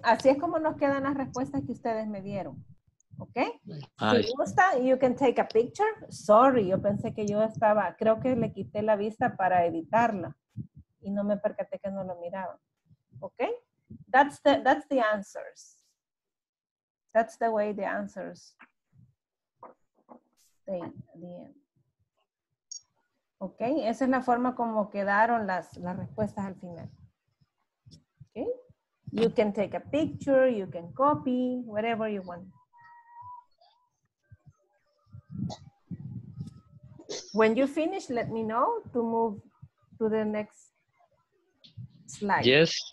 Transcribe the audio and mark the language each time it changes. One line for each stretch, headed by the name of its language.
Spanish: Así es como nos quedan las respuestas que ustedes me dieron. Ok. Si gusta,
English: you can take a picture.
Spanish: Sorry, yo pensé que yo estaba, creo que le quité la vista para editarla y no me percaté que no lo miraba.
English: Ok. That's the answers. That's the way the answers stay at the end.
Spanish: Okay, esa es la forma como quedaron las respuestas al final.
English: Okay, you can take a picture, you can copy, whatever you want. When you finish, let me know to move to the next slide. Yes.